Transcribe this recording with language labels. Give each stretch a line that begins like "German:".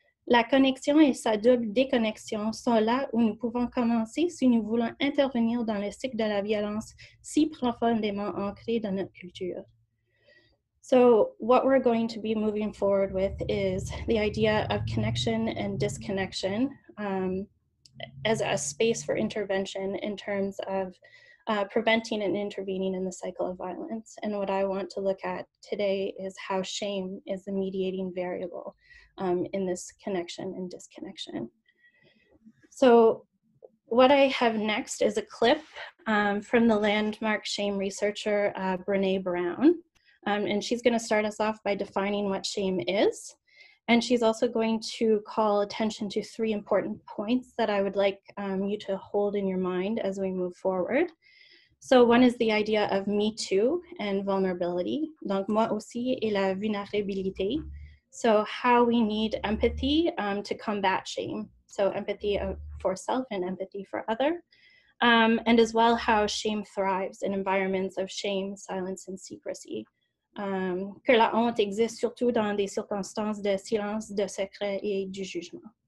French: La connexion et sa double déconnexion sont là où nous pouvons commencer si nous voulons intervenir dans le cycle de la violence si profondément ancré dans notre culture.
English: So what we're going to be moving forward with is the idea of connection and disconnection as a space for intervention in terms of preventing and intervening in the cycle of violence. And what I want to look at today is how shame is the mediating variable in this connection and disconnection. So what I have next is a clip from the landmark shame researcher, Brené Brown. And she's going to start us off by defining what shame is. And she's also going to call attention to three important points that I would like you to hold in your mind as we move forward. So one is the idea of me too and vulnerability.
French: Donc moi aussi et la vulnérabilité.
English: So how we need empathy to combat shame. So empathy for self and empathy for other. And as well how shame thrives in environments of shame, silence, and secrecy.
French: Que la honte existe surtout dans des circonstances de silence, de secret et du jugement.